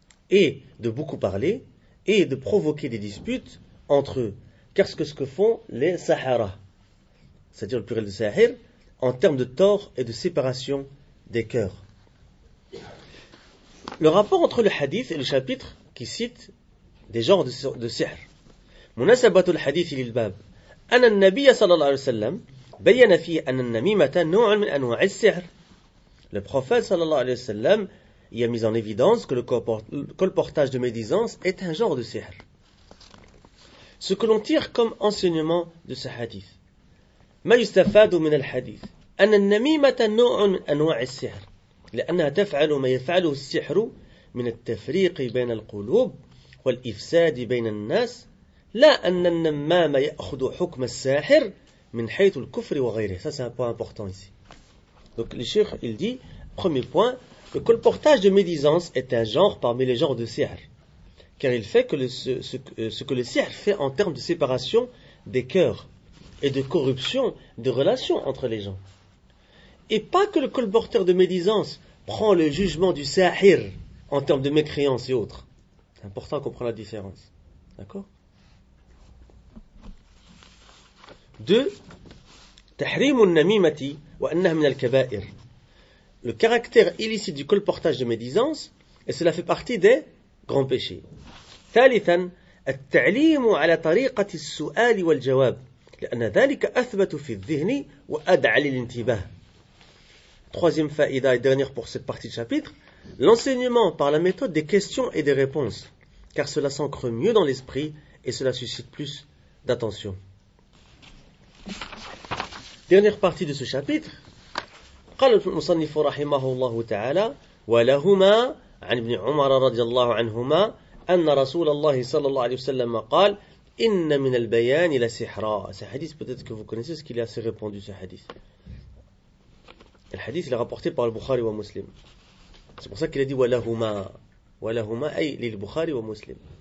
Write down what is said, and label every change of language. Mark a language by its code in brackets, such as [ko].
[fr] Et de beaucoup parler, et de provoquer des disputes entre eux. Qu'est-ce que font les sahara ? C'est-à-dire le pluriel de sahir, en termes de tort et de séparation des cœurs. Le rapport entre le hadith et le chapitre qui cite des genres de sihr. [ar] مناسبات الحديث للباب أن النبي صلى الله عليه وسلم بين فيه أن النميمة نوع من أنواع السحر. [fr] Le prophète [ar] صلى الله عليه وسلم [fr] y a mis en évidence que le colportage de médisance est un genre de sihr. Ce que l'on tire comme enseignement de ce hadith. [ar] ما يستفاد من الحديث أن النميمة نوع من أنواع السحر. لأنها تفعل ما يفعله السحر من التفريق بين القلوب والإفساد بين الناس لا أن النمام يأخذ حكم الساحر من حيث الكفر وغيره. [fr] Ça c'est un point important ici. Donc le cheikh il dit, premier point, le colportage de médisance est un genre parmi les genres de sihr, car il fait que ce que le sihr fait en termes de séparation des cœurs et de corruption de relations entre les gens. Et pas que le colporteur de médisance prend le jugement du sahir en termes de mécréance et autres. C'est important qu'on prenne la différence. D'accord ? Deux, [ar] تحريم النميمة وأنها من الكبائر. [fr] Le caractère illicite du colportage de médisance, et cela fait partie des grands péchés. [ar] ثالثا, التعليم على طريقة السؤال والجواب. لأن ذلك أثبت في الذهن وأدعى للانتباه. [fr] Troisième faïda et dernière pour cette partie du chapitre, l'enseignement par la méthode des questions et des réponses, car cela s'ancre mieux dans l'esprit et cela suscite plus d'attention. Dernière partie de ce chapitre, [ar] قال المصنف رحمه الله تعالى ولهما عن ابن عمر رضي الله عنهما أن رسول الله صلى الله عليه وسلم قال إن من البيان لسحرا. [fr] Ce hadith, peut-être que vous connaissez ce qu'il est assez répandu, ce hadith. Le hadith, il est rapporté par le Bukhari wa Muslim. C'est pour ça qu'il a dit walahuma. [ar] Walahuma, ay, lil Bukhari wa Muslim.